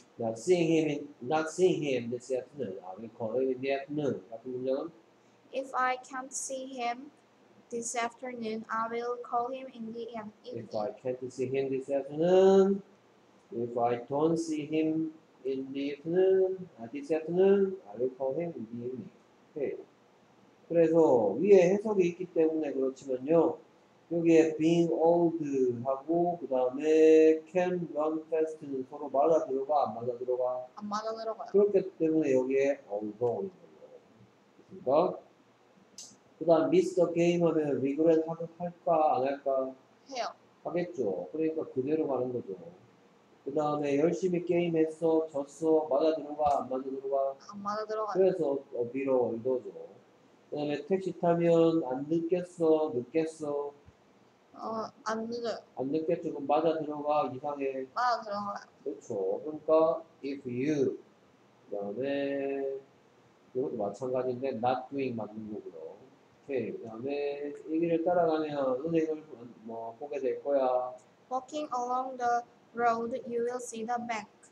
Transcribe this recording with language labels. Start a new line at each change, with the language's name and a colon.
English: If I can't see him this afternoon, I will call him in the evening. If I can't see him this afternoon, if I don't see him in the afternoon, this afternoon, I will call him in the evening. Okay.
Korean: 그래서 위에 해석이 있기 때문에 그렇지만요. 여기에
English: being old
Korean: 하고 그 다음에
English: can run fast
Korean: 는 서로 맞아 들어가 안 맞아 들어가? 안 맞아 들어가. 그렇기 때문에 여기에 although인 거예요. 그러니까 그 다음
English: miss the game
Korean: 하면 regret 할까 안 할까? 해요. 하겠죠. 그러니까 그대로 가는 거죠. 그 다음에 열심히 게임했어 졌어 맞아 들어가 안 맞아 들어가? 안 맞아 들어가. 그래서 어비로 이거죠. 그 다음에 택시 타면 안 늦겠어 늦겠어? 안 늦어요. 안 늦겠죠. 그럼 맞아 들어가 이상해. 맞아 들어가요. 그렇죠. 그러니까
English: if you
Korean: 그 다음에 이것도 마찬가지인데
English: not doing
Korean: 맞는 거고요. 오케이. 그 다음에 이 길을 따라가면 은행을 뭐 보게 될 거야.
English: Walking along the road you will see the bank.